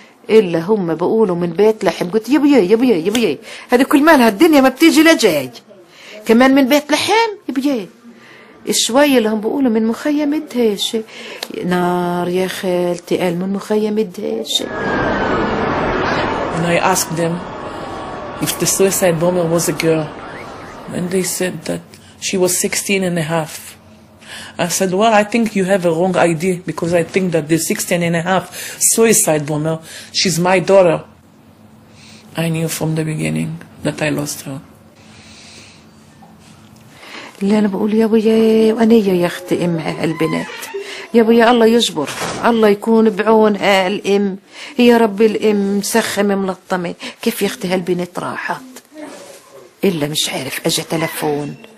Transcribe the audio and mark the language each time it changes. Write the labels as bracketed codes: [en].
[ar] إلا هم بقولوا من بيت لحم. قلت يا بيي يا بيي يا بيي هذه كل مالها، الدنيا ما بتيجي لجاي كمان من بيت لحم. يا بيي شوي اللي هم بقولوا من مخيم الدهشة. نار يا خالتي، قال من مخيم الدهشة. [en] And I asked them if the suicide bomber was a girl, and they said that she was 16 and a half. I said, well, I think you have a wrong idea, because I think that the 16 and a half suicide bomber, she's my daughter. I knew from the beginning that I lost her. [ar] اللي أنا بقول يا بيي وأنا يا أختي أم هالبنات. يا بيي الله يجبر، الله يكون بعون هالأم. يا ربي الأم سخمة ملطمة، كيف يا أختي هالبنات راحت؟ إلا مش عارف أجا تلفون.